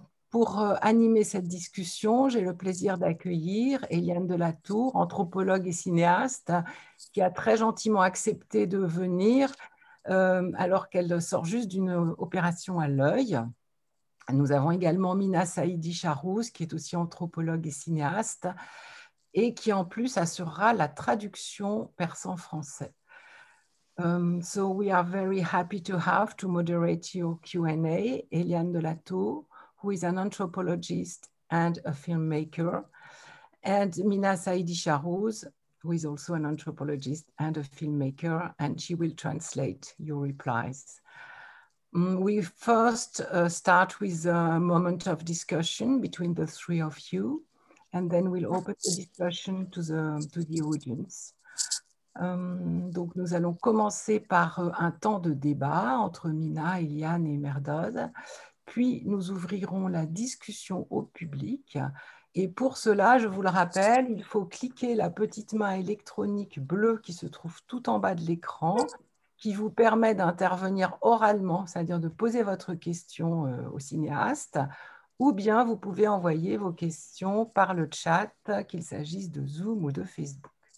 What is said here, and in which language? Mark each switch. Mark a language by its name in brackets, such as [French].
[French] Pour animer cette discussion, j'ai le plaisir d'accueillir Eliane Delatour, anthropologue et cinéaste, qui a très gentiment accepté de venir. Alors qu'elle sort juste d'une opération à l'œil. Nous avons également Mina Saïdi Charrouz, qui est aussi anthropologue et cinéaste, et qui en plus assurera la traduction persan-français. [English] So we are very happy to have to moderate your Q&A, Eliane Delatour, who is an anthropologist and a filmmaker, and Mina Saïdi Charrouz, who is also an anthropologist and a filmmaker, and she will translate your replies. We first start with a moment of discussion between the three of you, and then we'll open the discussion to the audience. [French] Donc nous allons commencer par un temps de débat entre Mina, Eliane et Merdad, puis nous ouvrirons la discussion au public. Et pour cela, je vous le rappelle, il faut cliquer la petite main électronique bleue qui se trouve tout en bas de l'écran, qui vous permet d'intervenir oralement, c'est-à-dire de poser votre question au cinéaste, ou bien vous pouvez envoyer vos questions par le chat, qu'il s'agisse de Zoom ou de Facebook.